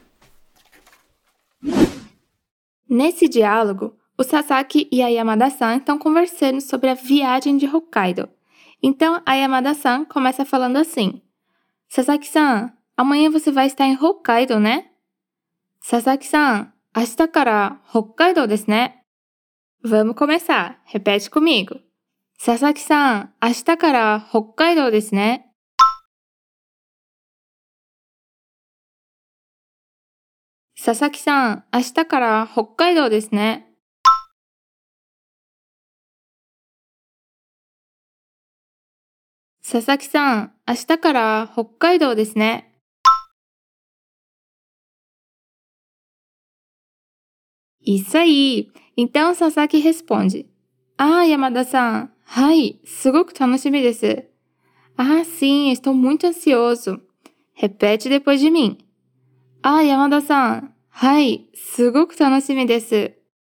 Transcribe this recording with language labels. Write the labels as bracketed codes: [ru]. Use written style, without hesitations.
[ja] そうですか。まあ、連休もめったにないし、飛行機で行った方が楽かもしれませんね。ですよね。飛行機で行くことにします。あ、でも、バターラーメンは食べてくださいよ。他のところでは食べられないので。もちろんです。ぜひ食べてきます。旅行楽しんでくださいね。 [pt] Nesse diálogo, o Sasaki e a Yamada-san estão conversando sobre a viagem de Hokkaido. Então, a Yamada-san começa falando assim. Sasaki-san, amanhã você vai estar em Hokkaido, né? [ja] Sasaki-san, 明日から北海道ですね? [pt] Vamos começar. Repete comigo. [ja] Sasaki-san, 明日から北海道ですね? Sasaki-san, 明日から北海道ですね? Sasaki-san, 明日から北海道ですね。 [pt] Isso aí! Então, Sasaki responde. Ah, Yamada-san. [ja] Hai, すごく楽しみです. [pt] Ah, sim, estou muito ansioso. Repete depois de mim. Ah, Yamada-san. [ja] Hai, すごく楽しみです.